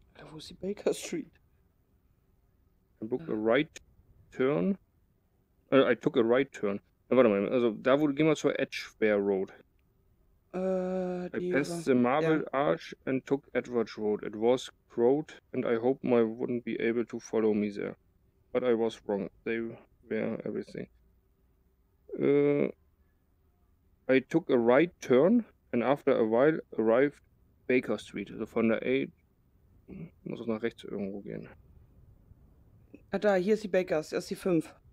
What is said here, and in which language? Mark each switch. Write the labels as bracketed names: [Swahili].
[German] Wo ist die Baker Street? Dann [English] book a right turn. I took a right turn. [German] Na, warte mal, also da wurde, gehen wir zur Edgware Road. [English] I passed the Marble Arch and took Edgware Road. It was crowded and I hoped my wouldn't be able to follow me there. But I was wrong. They were everything. I took a right turn and after a while arrived Baker Street. [German] Also von der 8 muss es nach rechts irgendwo gehen. Ah, da, hier ist die Baker, das ist die 5.